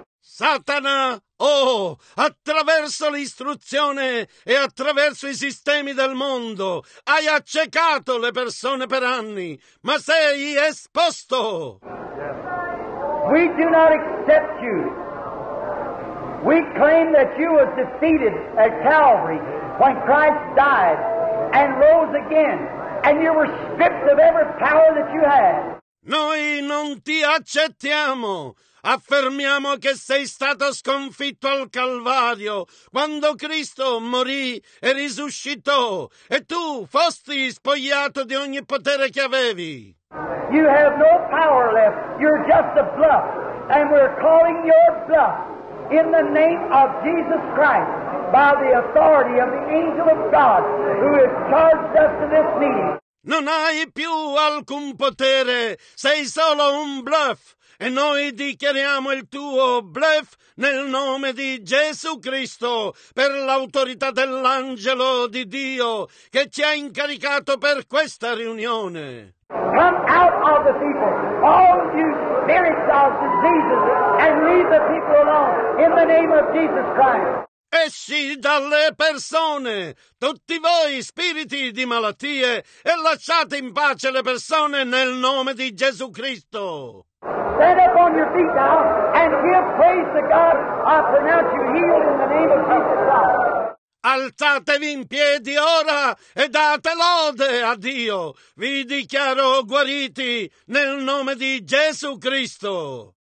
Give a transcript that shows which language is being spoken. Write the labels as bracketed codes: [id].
[it] Satana, oh, attraverso l'istruzione e attraverso i sistemi del mondo, hai accecato le persone per anni, ma sei esposto. [en] We do not accept you. We claim that you were defeated at Calvary when Christ died and rose again, and you were stripped of every power that you had. [it] Noi non ti accettiamo. Affermiamo che sei stato sconfitto al Calvario quando Cristo morì e risuscitò e tu fosti spogliato di ogni potere che avevi. [en] You have no power left. You're just a bluff. And we're calling your bluff in the name of Jesus Christ by the authority of the angel of God who has charged us to this meeting. [it] Non hai più alcun potere. Sei solo un bluff. E noi dichiariamo il tuo blef nel nome di Gesù Cristo per l'autorità dell'angelo di Dio che ci ha incaricato per questa riunione. [en] Come out of the people, all you spirits of diseases, and leave the people alone in the name of Jesus Christ. [it] Esci dalle persone, tutti voi spiriti di malattie, e lasciate in pace le persone nel nome di Gesù Cristo. [en] Stand up on your feet now and give praise to God. I pronounce you healed in the name of Jesus Christ. [it] Alzatevi in piedi ora e date lode a Dio. Vi dichiaro guariti nel nome di Gesù Cristo.